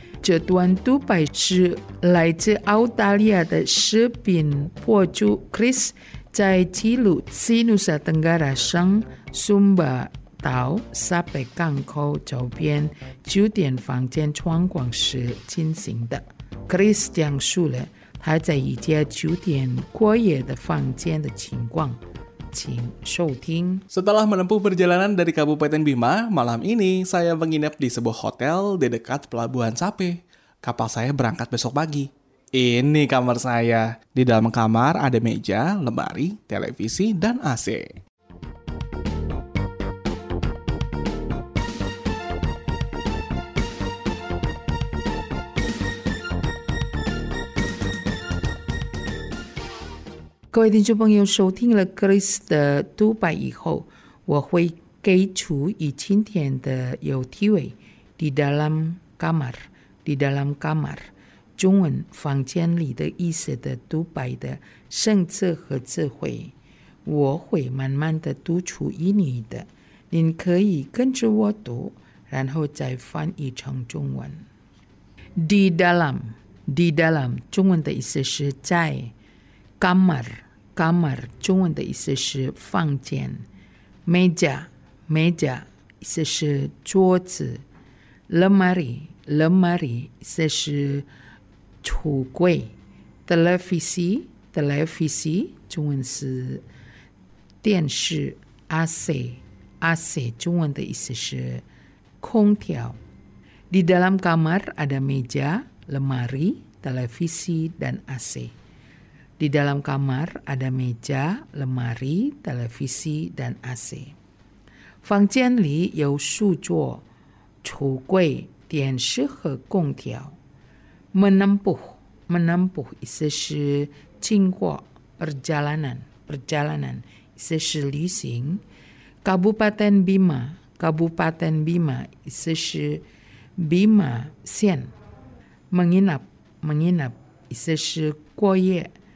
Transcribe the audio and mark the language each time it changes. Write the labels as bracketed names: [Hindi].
[Chinese] 这段独白是来自澳大利亚的视频博主 Chris 在记录西努萨登加拉省松巴岛沙北港口周边酒店房间窗光时进行的。 Chris 讲述了。还在一家酒店过夜的房间的情况，请收听。 [Indonesian] Setelah menempuh perjalanan dari Kabupaten Bima, malam ini saya menginap di sebuah hotel di dekat Pelabuhan Sape. Kapal saya berangkat besok pagi. Ini kamar saya. Di dalam kamar ada meja, lemari, televisi, dan AC. [Chinese] 各位听众朋友，收听了 Chris 的独白以后，我会给出与今天的有题为 [Indonesian] Di dalam kamar， Di dalam kamar， [Chinese] 中文房间里的意思的独白的生词和智慧，我会慢慢的读出英语的，您可以跟着我读，然后再翻译成中文。 Di dalam， Di dalam， 中文的意思是在。 Kamar, kamar, 中文的意思是房间。 Meja, meja, 意思是桌子。 Lemari, lemari, 意思是橱柜。 Televisi, televisi, 中文是电视。 AC, AC, 中文的意思是空调。 [Indonesian] Di dalam kamar ada meja, lemari, televisi, dan AC. Di dalam kamar ada meja, lemari, televisi, dan AC. [Chinese] 房间里有书桌、橱柜、电视和空调。 Menempuh, menempuh, 意思是经过 perjalanan, perjalanan, 意思是旅行。 Kabupaten Bima, Kabupaten Bima, 意思是 Bima 县。 Menginap, menginap, 意思是过夜。